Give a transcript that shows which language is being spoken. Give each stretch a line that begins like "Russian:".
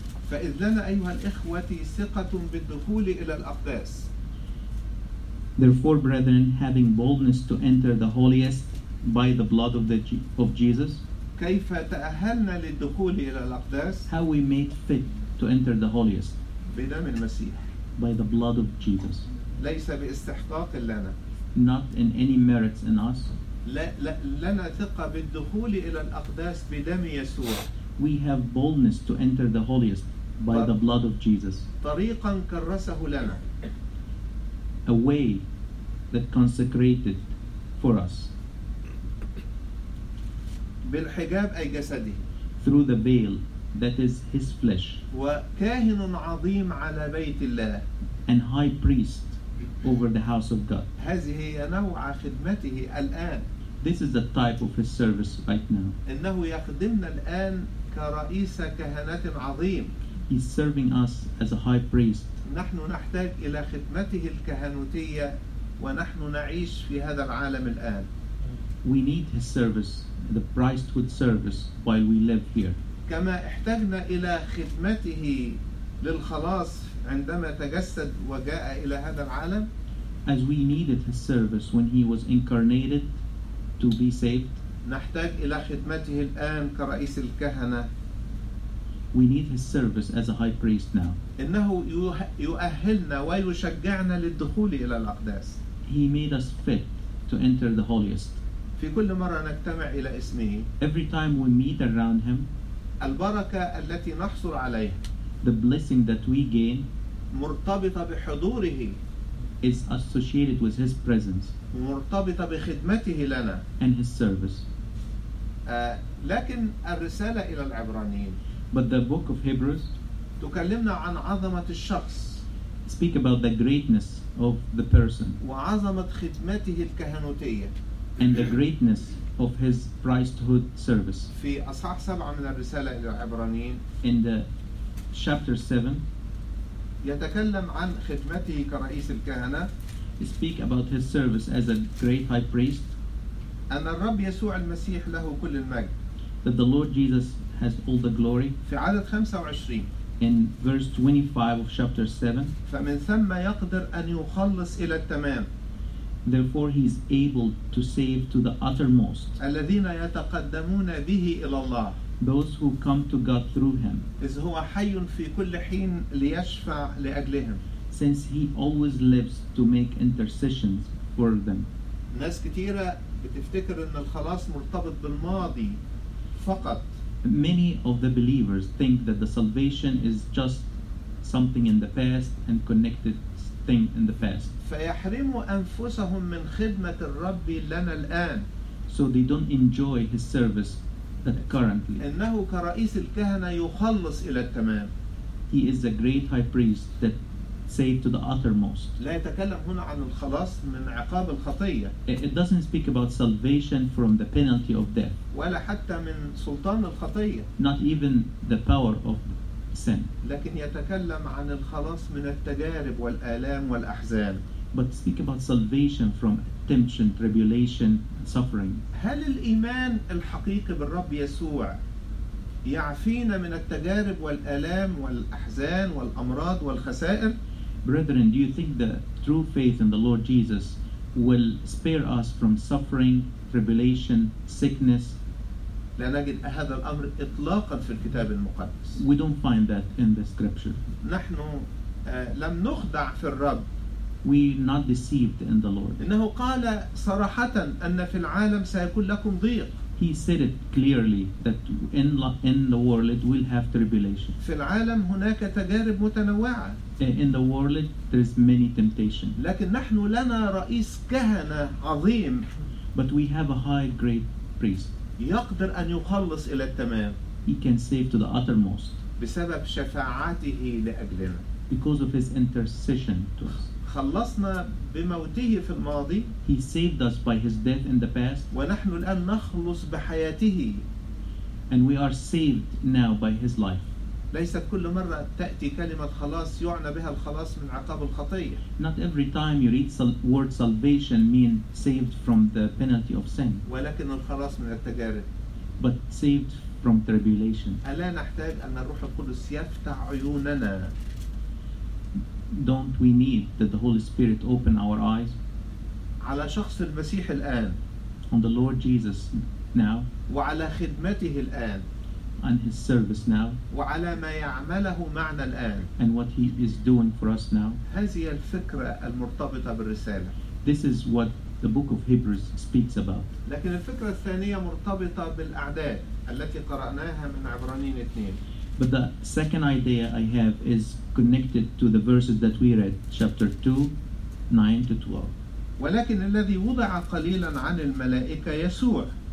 Arabic: فإذ لنا أيها الإخوة ثقة بالدخول إلى الأقداس.
English: Therefore, brethren, having boldness to enter the holiest by the blood of Jesus,
Arabic: كيف تأهلنا للدخول إلى الأقداس؟
English: How we made fit to enter the holiest?
Arabic: بدم المسيح.
English: By the blood of Jesus.
Arabic: ليس باستحقاق لنا.
English: Not in any merits in us.
Arabic: لنا ثقة بالدخول إلى الأقداس بدم يسوع.
English: We have boldness to enter the holiest by the blood of Jesus.
Arabic: طريقا كرسه لنا.
English: A way that consecrated for us
Arabic: بالحجاب أي جسده
English: through the veil that is his flesh
Arabic: وكاهن عظيم على بيت الله
English: and high priest over the house of God.
Arabic: هذه هي نوع خدمته الآن.
English: This is the type of his service right now.
Arabic: إنه يخدمنا الآن كرئيس كهنة عظيم.
English: He's serving us as a high priest.
Arabic: نحن نحتاج إلى خدمته الكهنوتية ونحن نعيش في هذا العالم الآن.
English: We need his service, the priesthood service, while we live here.
Arabic: كما احتاجنا إلى خدمته للخلاص عندما تجسد وجاء إلى هذا العالم.
English: As we needed his service when he was incarnated to be saved.
Arabic: نحتاج إلى خدمته الآن كرئيس الكهنة.
English: We need his service as a high priest now.
Arabic: إنه يؤهلنا ويشجعنا للدخول إلى الأقداس.
English: He made us fit to enter the holiest.
Arabic: في كل مرة نجتمع إلى اسمه.
English: Every time we meet around him.
Arabic: البركة التي نحصل عليها.
English: The blessing that we gain.
Arabic: مرتبطة بحضوره.
English: Is associated with his presence.
Arabic: مرتبطة بخدمته لنا.
English: And his service.
Arabic: لكن الرسالة إلى العبرانيين.
English: But the book of Hebrews
Arabic: تكلمنا عن عظمة الشخص
English: speak about the greatness of the person
Arabic: وعظمة خدمته الكهنوتية
English: and the greatness of his priesthood service
Arabic: في أصحاح 7 من الرسالة إلى العبرانيين
English: in the chapter 7
Arabic: يتكلم عن خدمته كرئيس الكهنة
English: speak about his service as a great high priest
Arabic: أن الرب يسوع المسيح له كل المجد
English: that the Lord Jesus has all the glory.
Arabic: في عدد 25.
English: In verse 25 of chapter 7.
Arabic: فمن ثم يقدر أن يخلص إلى التمام.
English: Therefore he is able to save to the uttermost.
Arabic: الذين يتقدمون به إلى الله.
English: Those who come to God through him.
Arabic: إذ هو حي في كل حين ليشفع لأجلهم.
English: Since he always lives to make intercessions for them.
Arabic: ناس كثيرة بتفتكر أن الخلاص مرتبط بالماضي فقط.
English: Many of the believers think that the salvation is just something in the past and connected thing in the past.
Arabic: فيحرموا أنفسهم من خدمة الرب لنا الآن.
English: So they don't enjoy his service that currently.
Arabic: إنه كرئيس الكهنة يخلص إلى التمام.
English: He is a great high priest that saved to the uttermost.
Arabic: لا يتكلم هنا عن الخلاص من عقاب الخطية.
English: It doesn't speak about salvation from the penalty of death.
Arabic: ولا حتى من سلطان الخطية.
English: Not even the power of sin.
Arabic: لكن يتكلم عن الخلاص من التجارب والآلام والأحزان.
English: But speak about salvation from temptation, tribulation, suffering.
Arabic: هل الإيمان الحقيقي بالرب يسوع يعفينا من التجارب والآلام والأحزان والأمراض والخسائر.
English: Brethren, do you think the true faith in the Lord Jesus will spare us from suffering, tribulation, sickness?
Arabic: لا نجد هذا الأمر إطلاقاً في الكتاب المقدس.
English: We don't find that in the scripture.
Arabic: نحن لم نخدع في الرب.
English: We not deceived in the Lord.
Arabic: إنه قال صراحة أن في العالم سيكون لكم ضيق.
English: He said it clearly that in the world we'll have tribulation.
Arabic: في العالم هناك تجارب متنوعة.
English: In the world there is many temptation.
Arabic: لكن نحن لنا رئيس كهنة عظيم.
English: But we have a high great priest.
Arabic: يقدر أن يخلص إلى التمام.
English: He can save to the uttermost.
Arabic: بسبب شفاعته لأجلنا.
English: Because of his intercession to us.
Arabic: خلصنا بموته في الماضي.
English: He saved us by his death in the past.
Arabic: ونحن الآن نخلص بحياته.
English: And we are saved now by his life.
Arabic: ليست كل مرة تأتي كلمة خلاص يعنى بها الخلاص من عقاب الخطية.
English: Not every time you read word salvation mean saved from the penalty of sin.
Arabic: ولكن الخلاص من التجارب.
English: But saved from tribulation.
Arabic: ألا نحتاج أن الروح القدس يفتح عيوننا؟
English: Don't we need that the Holy Spirit open our eyes
Arabic: على شخص المسيح الآن,
English: on the Lord Jesus now,
Arabic: وعلى خدمته الآن,
English: on his service now,
Arabic: وعلى ما يعمله معنا الآن,
English: and what he is doing for us now.
Arabic: هذه الفكرة المرتبطة بالرسالة.
English: This is what the book of Hebrews speaks about.
Arabic: لكن الفكرة الثانية مرتبطة بالأعداد التي قرأناها من عبرانيين 2.
English: But the second idea I have is connected to the verses that we read, chapter 2:9-12.
Arabic: ولكن الذي وضع قليلا عن الملائكة يسوع.